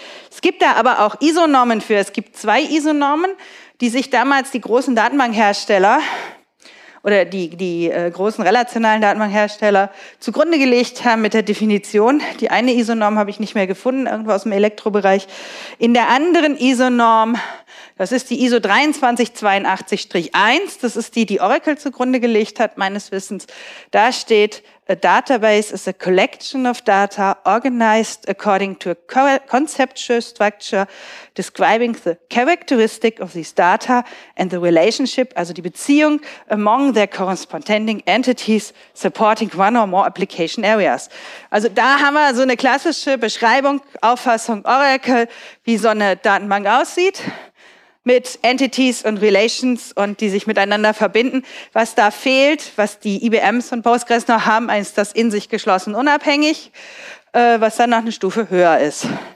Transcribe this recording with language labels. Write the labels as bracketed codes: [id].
[de] Es gibt da aber auch ISO-Normen für. Es gibt zwei ISO-Normen, die sich damals die großen Datenbankhersteller oder die großen relationalen Datenbankhersteller zugrunde gelegt haben mit der Definition. Die eine ISO-Norm habe ich nicht mehr gefunden, irgendwo aus dem Elektrobereich. In der anderen ISO-Norm, das ist die ISO 2382-1, das ist die, die Oracle zugrunde gelegt hat, meines Wissens. Da steht, [en] a database is a collection of data organized according to a conceptual structure describing the characteristic of these data and the relationship, [de] also die Beziehung, [en] among their corresponding entities supporting one or more application areas. [de] Also da haben wir so eine klassische Beschreibung, Auffassung Oracle, wie so eine Datenbank aussieht, mit Entities und Relations und die sich miteinander verbinden. Was da fehlt, was die IBMs und Postgres noch haben, ist das in sich geschlossen unabhängig, was dann noch eine Stufe höher ist.